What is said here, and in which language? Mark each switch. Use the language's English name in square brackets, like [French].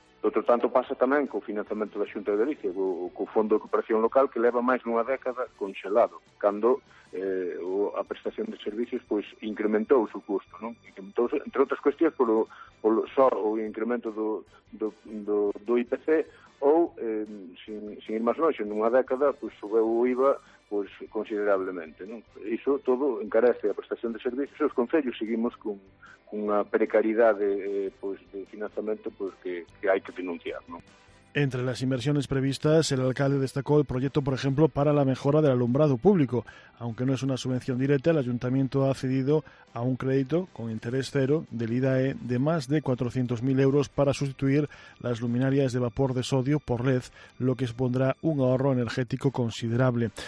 [Galician] Outro tanto pasa tamén co financiamento da Xunta de Galicia, co Fondo de Cooperación Local, que leva máis dunha década conxelado, cando a prestación de servicios pois incrementou o seu custo, non? Incrementou, entre outras cuestións, o incremento do IPC, ou, sin ir máis longe, nunha década pois subeu o IVA pois considerablemente, non? Iso todo encarece a prestación de servicios. Os concellos seguimos con unha precariedade pois de financiamento pois que hai que denunciar, non? [Spanish] Entre las inversiones previstas, el alcalde destacó el proyecto, por ejemplo, para la mejora del alumbrado público. Aunque no es una subvención directa, el ayuntamiento ha accedido a un crédito con interés cero del IDAE de más de 400.000 euros para sustituir las luminarias de vapor de sodio por LED, lo que supondrá un ahorro energético considerable.